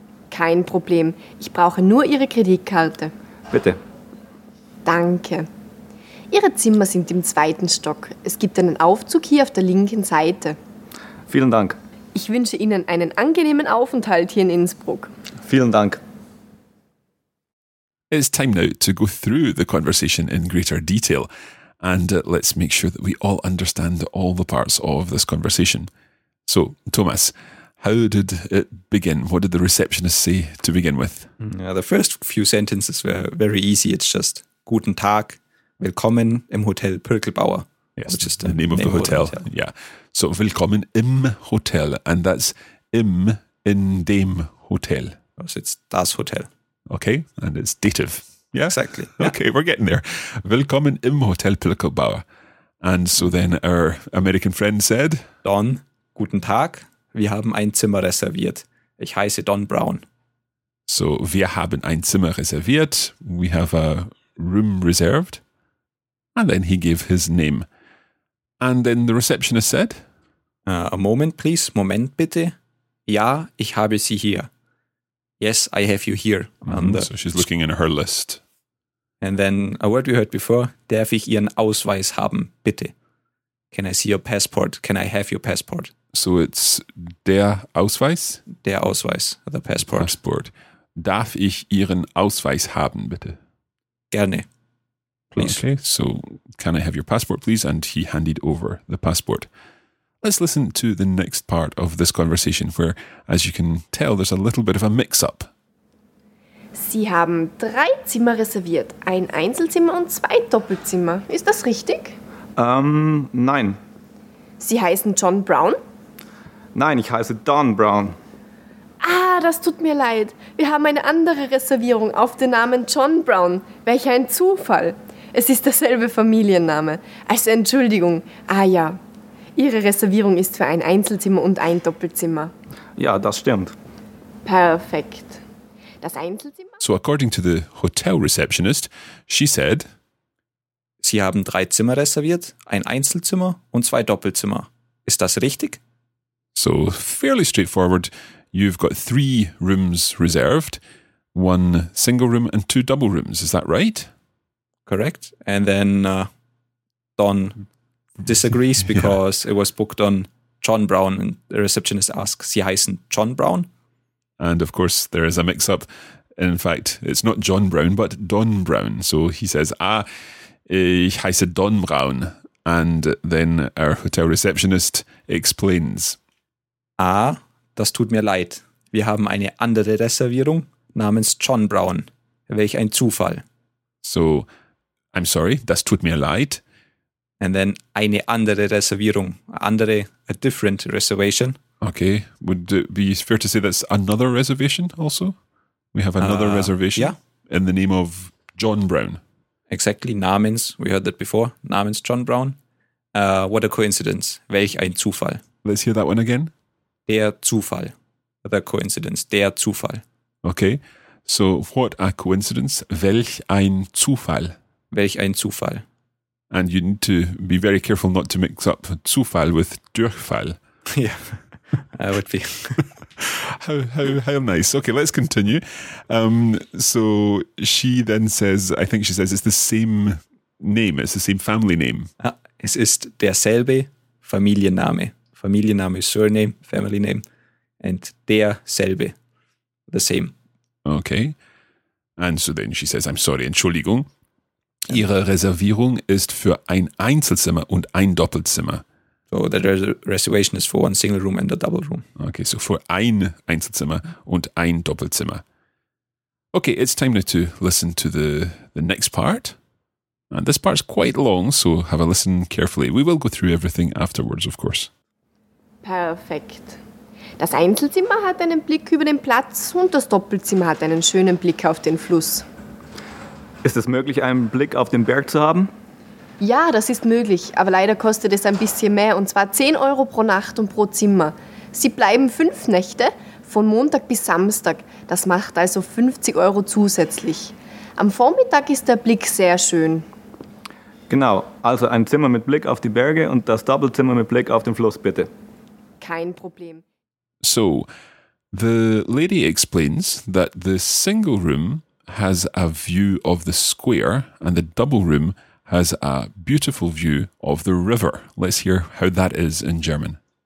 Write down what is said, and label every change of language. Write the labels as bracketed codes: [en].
[de] Kein Problem, ich brauche nur Ihre Kreditkarte. Bitte. Danke. Ihre Zimmer sind im 2. Stock. Es gibt einen Aufzug hier auf der linken Seite. Vielen Dank. Ich wünsche Ihnen einen angenehmen Aufenthalt hier in Innsbruck. Vielen Dank. [en] It's time now to go through the conversation in greater detail. And let's make sure that we all understand all the parts of this conversation. So, Thomas, how did it begin? What did the receptionist say to begin with? Yeah, the first few sentences were very easy. It's just, [de] Guten Tag. Willkommen im Hotel Pirkelbauer. [en] Yes, which is the name of the hotel. Yeah. So, [de] willkommen im Hotel. [en] And that's [de] im in dem Hotel. [en] So it's [de] das Hotel. [en] Okay. And it's dative. Yeah. Exactly. Okay. Yeah. We're getting there. [de] Willkommen im Hotel Pirkelbauer. [en] And so then our American friend said, [de] Don, guten Tag. Wir haben ein Zimmer reserviert. Ich heiße Don Brown. So, wir haben ein Zimmer reserviert. [en] We have a room reserved. And then he gave his name. And then the receptionist said, A moment, please. [de] Moment, bitte. Ja, ich habe Sie hier. [en] Yes, I have you here. So she's looking in her list. And then a word we heard before, [de] Darf ich Ihren Ausweis haben, bitte? [en] Can I see your passport? Can I have your passport? So it's [de] der Ausweis? Der Ausweis, [en] the passport. [de] Passport. Darf ich Ihren Ausweis haben, bitte? Gerne. [en] please. Okay, so can I have your passport, please? And he handed over the passport. Let's listen to the next part of this conversation, where, as you can tell, there's a little bit of a mix-up. [de] Sie haben drei Zimmer reserviert, ein Einzelzimmer und zwei Doppelzimmer. Ist das richtig? Nein. Sie heißen John Brown? Nein, ich heiße Don Brown. Ah, das tut mir leid. Wir haben eine andere Reservierung auf den Namen John Brown. Welch ein Zufall. Es ist derselbe Familienname. Also Entschuldigung. Ah ja, Ihre Reservierung ist für ein Einzelzimmer und ein Doppelzimmer. Ja, das stimmt. Perfekt. Das Einzelzimmer? [en] So according to the hotel receptionist, she said... [de] Sie haben drei Zimmer reserviert, ein Einzelzimmer und zwei Doppelzimmer. Ist das richtig? [en] So fairly straightforward. You've got three rooms reserved, one single room and two double rooms. Is that right? Correct. And then Don disagrees because yeah. It was booked on John Brown. And the receptionist asks, [de] Sie heißen John Brown? [en] And of course, there is a mix-up. In fact, it's not John Brown, but Don Brown. So he says, [de] Ah, ich heiße Don Brown. [en] And then our hotel receptionist explains. [de] Ah, das tut mir leid. Wir haben eine andere Reservierung namens John Brown. Welch ein Zufall. [en] So, I'm sorry, [de] das tut mir leid. [en] And then [de] eine andere Reservierung. Andere, [en] a different reservation. Okay, would it be fair to say that's another reservation also? We have another reservation yeah. In the name of John Brown. Exactly, namens, we heard that before, [de] namens John Brown. [en] What a coincidence, [de] welch ein Zufall. [en] Let's hear that one again. [de] Der Zufall, [en] the coincidence, [de] der Zufall. [en] Okay, so what a coincidence, [de] welch ein Zufall. Welch ein Zufall. [en] And you need to be very careful not to mix up Zufall with Durchfall. Yeah, I would be. How nice. Okay, let's continue. So she then says, I think she says, it's the same name. It's the same family name. [de] Es ist derselbe Familienname. Familienname, [en] surname, family name. And [de] derselbe, [en] the same. Okay. And so then she says, I'm sorry, [de] Entschuldigung. Ihre Reservierung ist für ein Einzelzimmer und ein Doppelzimmer. [en] So the reservation is for one single room and a double room. Okay, so for [de] ein Einzelzimmer und ein Doppelzimmer. [en] Okay, it's time now to listen to the next part. And this part's quite long, so have a listen carefully. We will go through everything afterwards, of course. [de] Perfekt. Das Einzelzimmer hat einen Blick über den Platz und das Doppelzimmer hat einen schönen Blick auf den Fluss. Ist es möglich, einen Blick auf den Berg zu haben? Ja, das ist möglich, aber leider kostet es ein bisschen mehr, und zwar 10 Euro pro Nacht und pro Zimmer. Sie bleiben 5 Nächte, von Montag bis Samstag. Das macht also 50 Euro zusätzlich. Am Vormittag ist der Blick sehr schön. Genau, also ein Zimmer mit Blick auf die Berge und das Doppelzimmer mit Blick auf den Fluss, bitte. Kein Problem. [en] So, the lady explains that the single room has a view of the square and the double room has a beautiful view of the river. Let's hear how that is in German.